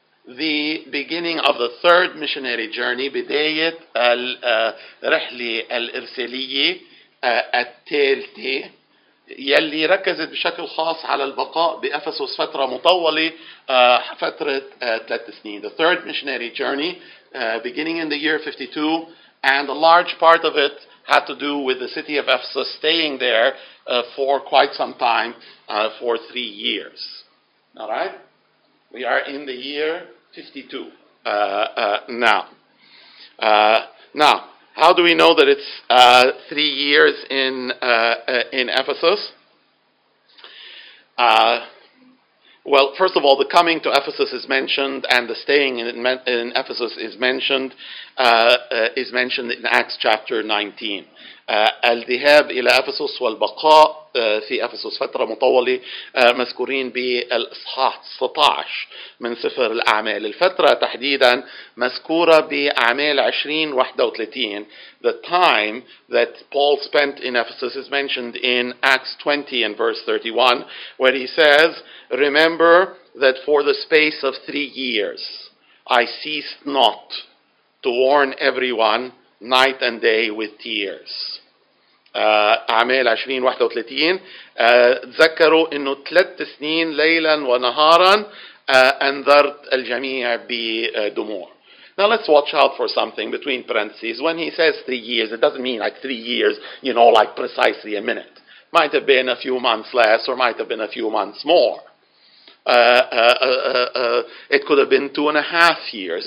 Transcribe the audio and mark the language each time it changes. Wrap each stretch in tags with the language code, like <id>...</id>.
<en>The beginning of the third missionary journey,</en> <ar>بداية الرحلة الإرسالية الثالثة، يلي ركزت بشكل خاص على البقاء بأفسس فترة مطولة، فترة ثلاث سنين.</ar> <en>The third missionary journey, beginning in the year 52, and a large part of it had to do with the city of Ephesus staying there for quite some time, for 3 years. All right? We are in the year 52 now. Now, how do we know that it's 3 years in Ephesus? Well, first of all, the coming to Ephesus is mentioned, and the staying in Ephesus is mentioned in Acts chapter 19.</en> <ar>الذهاب إلى أفسس والبقاء في أفسس فترة مطولة مذكورين بالإصحاح 16 من سفر الأعمال. الفترة تحديدا مذكورة بأعمال 20:31.</ar> <en>The time that Paul spent in Ephesus is mentioned in Acts 20 and verse 31, where he says, remember that for the space of 3 years I ceased not to warn everyone night and day with tears.</en> <ar>أعمال 20:31. تذكروا أنه ثلاث سنين ليلا ونهارا أنذرت الجميع بدموع.</ar> <en>Now let's watch out for something between parentheses. When he says 3 years, it doesn't mean like 3 years, you know, like precisely a minute. Might have been a few months less, or might have been a few months more. It could have been 2.5 years.</en>